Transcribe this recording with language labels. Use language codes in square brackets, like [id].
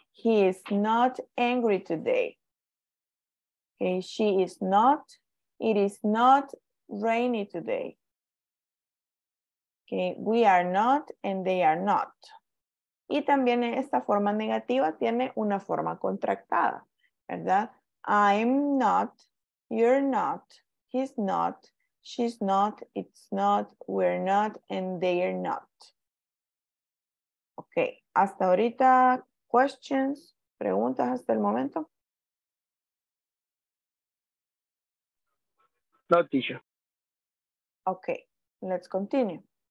[en] He is not angry today. Okay. She is not. It is not rainy today. Okay. We are not and they are not. [es] Y también esta forma negativa tiene una forma contractada, ¿verdad? [en] I'm not, you're not, he's not, she's not, it's not, we're not, and they're not. [es] Okay, hasta ahorita, questions, preguntas hasta el momento? [en] No, teacher. Okay, let's continue.